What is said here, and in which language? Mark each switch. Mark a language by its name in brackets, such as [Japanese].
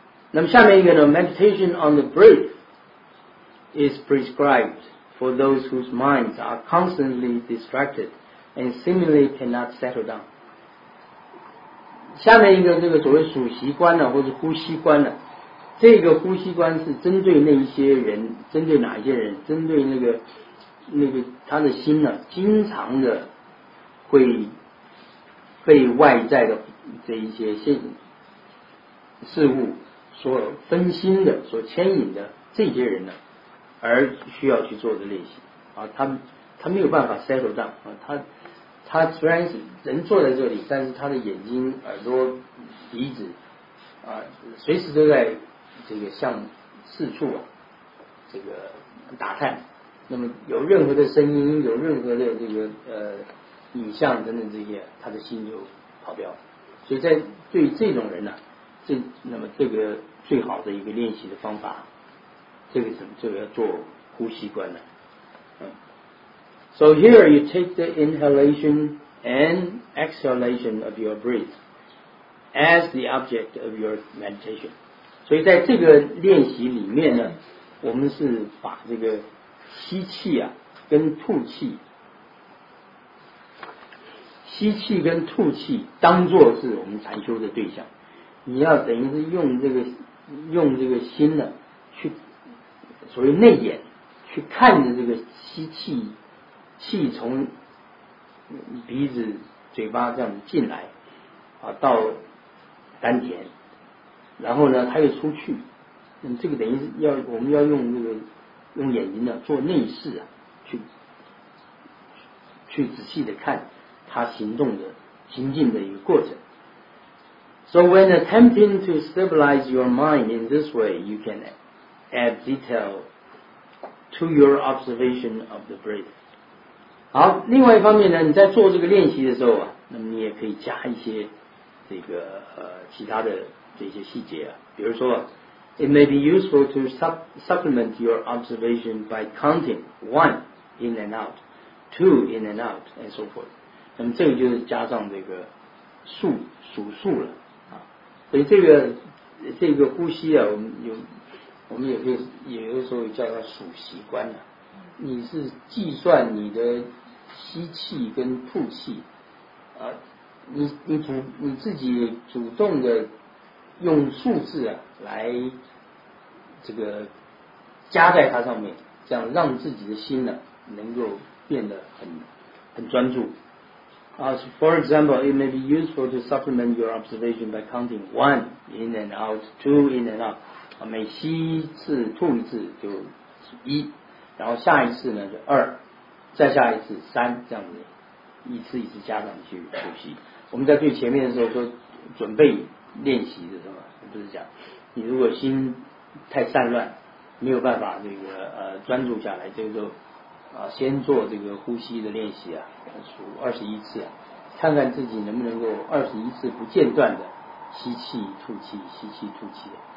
[Chinese] 那么下面一个呢， [English] meditation on the breath is prescribed for those whose minds are constantly distracted and seemingly cannot settle down。 [Chinese] 下面一个这个所谓数息观呢，或者呼吸观呢，这个呼吸观是针对那一些人，针对哪一些人，针对那个他的心呢经常的会被外在的这一些现事物所分心的、所牵引的这些人呢，而需要去做的练习啊，他没有办法 [English] settle down [Chinese] 啊，他虽然是人坐在这里，但是他的眼睛、耳朵、鼻子啊，随时都在这个向四处啊这个打探。那么有任何的声音，有任何的这个影像等等这些，他的心就跑掉了。所以在对这种人呢、啊，那么这个最好的一个练习的方法，这个什么？这个要做呼吸观的。 [English] So here you take the inhalation and exhalation of your breath as the object of your meditation. [Chinese] 所以在这个练习里面呢，我们是把这个吸气啊跟吐气，吸气跟吐气当作是我们禅修的对象。你要等于是用这个心呢，去所谓内眼去看着这个吸气，气从鼻子、嘴巴这样进来啊，到丹田，然后呢，它又出去。那么这个等于是要我们要用这个用眼睛呢做内视啊，去仔细的看它行动的行进的一个过程。 [English] So when attempting to stabilize your mind in this way, you can add detail to your observation of the breath. [Chinese] 好，另外一方面呢，你在做这个练习的时候啊，那么你也可以加一些这个其他的这些细节啊，比如说啊， [English] It may be useful to supplement your observation by counting one in and out, two in and out, and so forth. [Chinese] 那么这个就是加上这个数了。所以这个呼吸啊，我们也可以也有时候叫它数息观的、啊。你是计算你的吸气跟吐气，啊，你自己主动的用数字啊来这个加在它上面，这样让自己的心呢、啊、能够变得很专注。 [English] So、for example, it may be useful to supplement your observation by counting one in and out, two in and out. [Chinese] 每吸一次、吐一次就一，然后下一次呢就二，再下一次三，这样子一次一次加上去呼吸。我们在最前面的时候说准备练习的时候，就是讲你如果心太散乱，没有办法这个专注下来，这个时候啊，先做这个呼吸的练习啊，数21次、啊，看看自己能不能够21次不间断的吸气吐气，吸气吐气的。